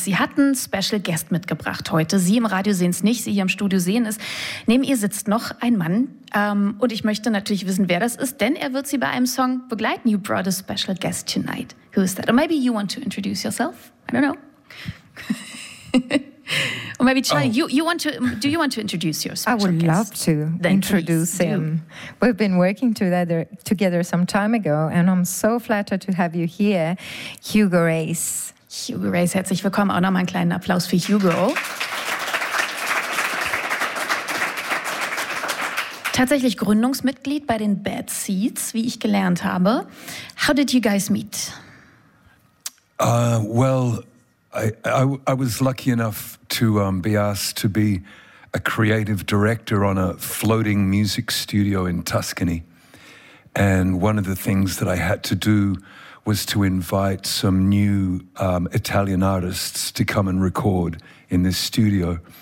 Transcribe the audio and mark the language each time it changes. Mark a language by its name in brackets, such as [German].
[German] Sie hat einen Special Guest mitgebracht heute. Sie im Radio sehen es nicht, sie hier im Studio sehen es. Neben ihr sitzt noch ein Mann, und ich möchte natürlich wissen, wer das ist, denn er wird sie bei einem Song begleiten. [English] You brought a special guest tonight. Who is that? Or maybe you want to introduce yourself? I don't know. Or maybe Charlie, do you want to introduce your special guest? I would love to then introduce him. Do. We've been working together some time ago, and I'm so flattered to have you here, Hugo Reis. [German] Hugo Reis, herzlich willkommen. Auch nochmal einen kleinen Applaus für Hugo. Tatsächlich Gründungsmitglied bei den Bad Seeds, wie ich gelernt habe. [English] How did you guys meet? I was lucky enough to be asked to be a creative director on a floating music studio in Tuscany. And one of the things that I had to do was to invite some new Italian artists to come and record in this studio.